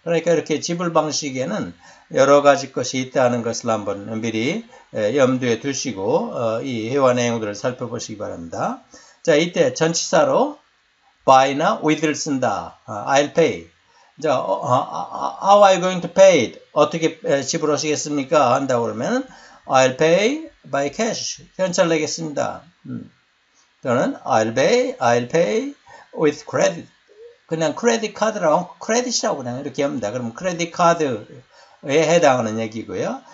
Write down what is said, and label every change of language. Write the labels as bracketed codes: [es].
[ko] 그러니까 이렇게 지불 방식에는 여러 가지 것이 있다는 것을 한번 미리 염두에 두시고 이 회화 내용들을 살펴보시기 바랍니다. 자, 이때 전치사로 buy나 with를 쓴다. [en] I'll pay. 자, how are you going to pay it? [ko] 어떻게 지불하시겠습니까? 한다고 그러면 [en] I'll pay by cash. [ko] 현찰 내겠습니다. [en] 또는 I'll pay with credit. [ko] 그냥 크레딧 카드라고 크레딧이라고 그냥 이렇게 합니다. 그럼 크레딧 카드에 해당하는 얘기고요.